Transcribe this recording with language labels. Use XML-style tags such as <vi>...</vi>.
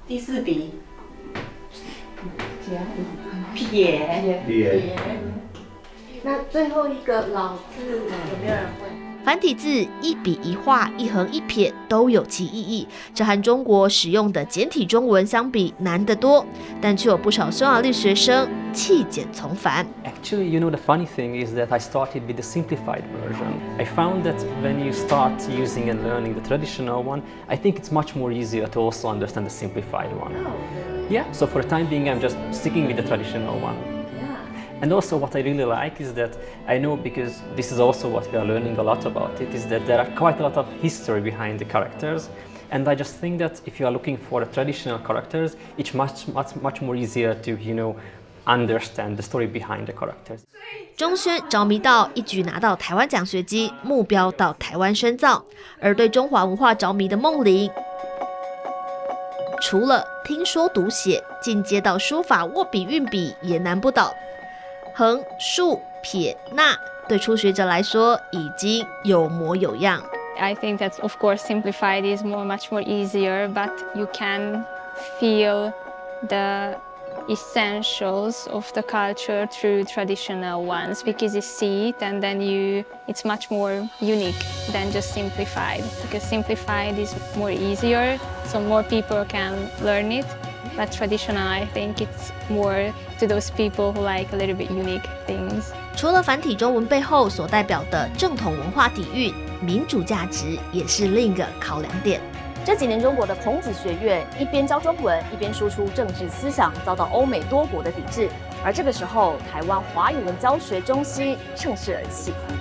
<zh>第四笔撇。那最后一个老字有没有人会？繁体字一笔一画、一横一撇都有其意义，这和中国使用的简体中文相比难得多，但却有不少匈牙利学生弃简从繁。</zh> <en>Actually, you know the funny thing is that I started with the simplified version. I found that when you start using and learning the traditional one, I think it's much more easier to also understand the simplified one. Yeah, so for the time being, I'm just sticking with the traditional one. And also what I really like is that I know, because this is also what we are learning a lot about it, is that there are quite a lot of history behind the characters. And I just think that if you are looking for the traditional characters, it's much, much, much more easier to, you know, understand the story behind the characters.</en> <zh>中轩着迷到一举拿到台湾奖学金，目标到台湾深造。而对中华文化着迷的梦玲，除了听说读写，进阶到书法握笔运笔也难不倒。横、竖、撇、捺，对初学者来说已经有模有样。</zh> <en>I think that of course simplified is much more easier, but you can feel the essentials of the culture through traditional ones because you see it and then it's much more unique than just simplified. Because simplified is more easier, so more people can learn it. But traditional, I think it's more to those people who like a little bit unique things.</en> <zh>除了繁体中文背后所代表的正统文化底蕴，民主价值也是另一个考量点。这几年中国的孔子学院一边教中文一边输出政治思想，遭到欧美多国的抵制，而这个时候台湾华语文教学中心趁势而起。</zh>